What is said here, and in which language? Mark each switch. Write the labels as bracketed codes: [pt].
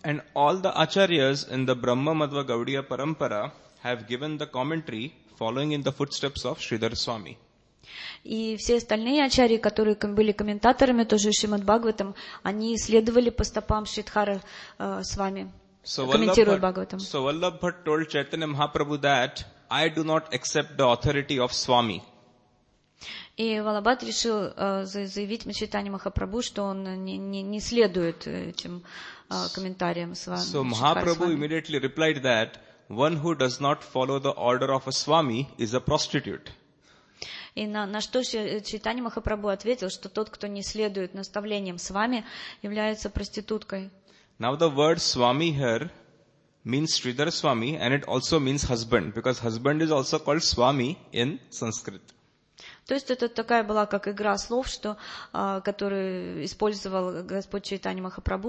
[en] And all the acharyas in the Brahma Madhva Gaudiya Parampara have given the commentary following in the footsteps of Sridhar Swami. [ru] И все остальные ачарьи, которые были комментаторами тоже Шримад Бхагаватам, они следовали по стопам Шридхары Свами, комментируя Бхагаватам. [en] So Vallabhat told Chaitanya Mahaprabhu that I do not accept the authority of Swami. [ru] И Валабхат решил заявить Чайтанья Махапрабху, что он не следует этим комментариям Свами. [en] So Mahaprabhu immediately replied that one who does not follow the order of a Swami is a prostitute. [ru] И на что Чайтанья Махапрабху ответил, что тот, кто не следует наставлениям Свами, является проституткой. [en] Now the word Swami here means Sridhar Swami, and it also means husband, because husband is also called Swami in Sanskrit. [ru] То есть это такая была как игра слов, что который использовал Господь Чайтанья Махапрабху.